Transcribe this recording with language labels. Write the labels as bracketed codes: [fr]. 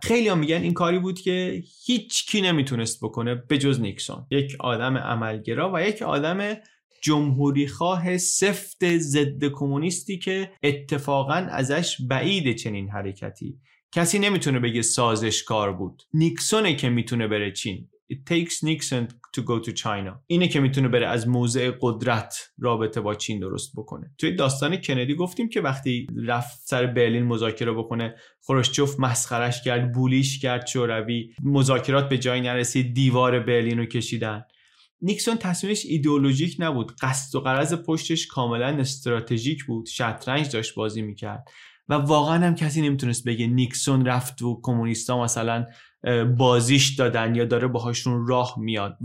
[fa] خیلی ها میگن این کاری بود که هیچ کی نمیتونست بکنه به جز نیکسون، یک آدم عملگرا و یک آدم جمهوری خواه سفت ضد کمونیستی که اتفاقا ازش بعید چنین حرکتی. کسی نمیتونه بگه سازشکار بود، نیکسونه که میتونه بره چین. [en] It takes Nixon to go to China. [fa] اینه که میتونه بره از موضع قدرت رابطه با چین درست بکنه. توی داستان کندی گفتیم که وقتی رفت سر برلین مذاکره بکنه، خروشچف مسخرش کرد، بولیش کرد شوروی، مذاکرات به جایی نرسید، دیوار برلین رو کشیدن. نیکسون تصمیمش ایدئولوژیک نبود، قصد و غرض پشتش کاملا استراتژیک بود، شطرنج داشت بازی میکرد و واقعا هم کسی نمیتونست بگه نیکسون رفت و کمونیستا مثلا بازیش دادن یا داره باهاشون راه میاد.